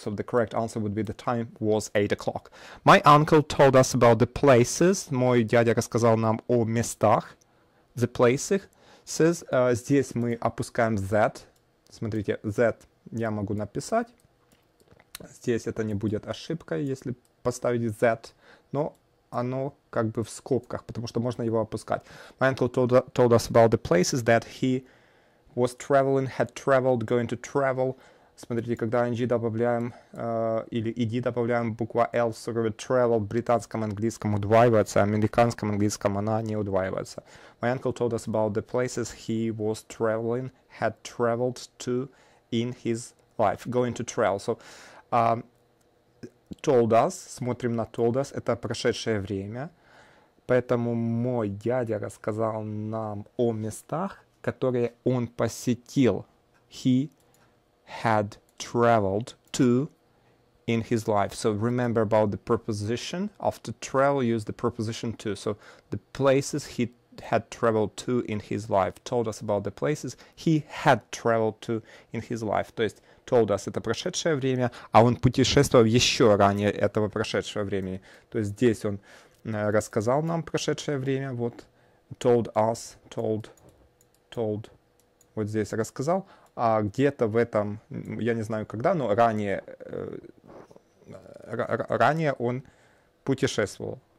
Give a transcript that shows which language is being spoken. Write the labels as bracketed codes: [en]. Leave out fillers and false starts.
[en] So the correct answer would be the time was 8 o'clock. My uncle told us about the places. [ru] Мой дядя рассказал нам о местах. [en] The places. Says, [ru] здесь мы опускаем [en] that. [ru] Смотрите, that я могу написать. Здесь это не будет ошибкой, если поставить that. Но оно как бы в скобках, потому что можно его опускать. [en] My uncle told us about the places that he... Was traveling, had traveled, going to travel. [ru] Смотрите, когда ing добавляем, или ed добавляем, буква l в слове travel в британском английском удваивается, а в американском английском она не удваивается. [en] My uncle told us about the places he was traveling, had traveled to in his life. Going to travel. So, told us, [ru] смотрим на [en] told us, [ru] это прошедшее время. Поэтому мой дядя рассказал нам о местах, которые он посетил. [en] He had traveled to in his life. So remember about the preposition. After travel, use the preposition to. So the places he had traveled to in his life. Told us about the places he had traveled to in his life. [ru] То есть told us это прошедшее время, а он путешествовал еще ранее этого прошедшего времени. То есть здесь он рассказал нам прошедшее время. Вот told us, told, вот здесь рассказал, а где-то в этом, я не знаю когда, но ранее он путешествовал.